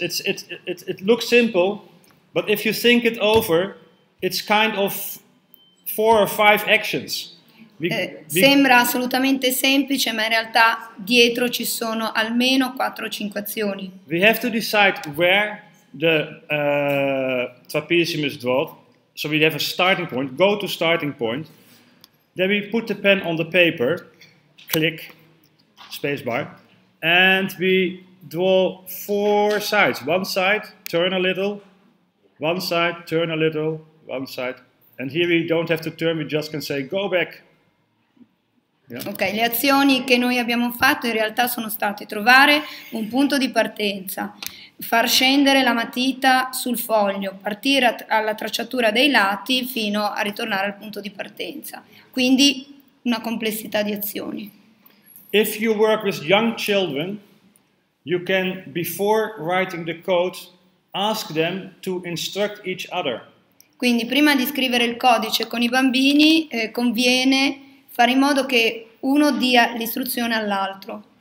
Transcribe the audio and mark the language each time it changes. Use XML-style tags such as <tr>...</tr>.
<en>It looks simple, but if you think it over, it's kind of four or five actions.</en> <it>Sembra assolutamente semplice, ma in realtà dietro ci sono almeno 4-5 azioni.</it> <en>We have to decide where the trapezium is drawn, so we have a starting point. Go to starting point. Then we put the pen on the paper, click, spacebar, and we draw four sides. One side, turn a little. One side, turn a little. One side, and here we don't have to turn. We just can say go back. Yeah.</en> <it>Ok, le azioni che noi abbiamo fatto in realtà sono state trovare un punto di partenza, far scendere la matita sul foglio, partire alla tracciatura dei lati fino a ritornare al punto di partenza. Quindi una complessità di azioni.</it> <en>If you work with young children, you can, before writing the code, ask them to instruct each other.</en> <it>Quindi prima di scrivere il codice con i bambini conviene fare in modo che uno dia l'istruzione all'altro.</it>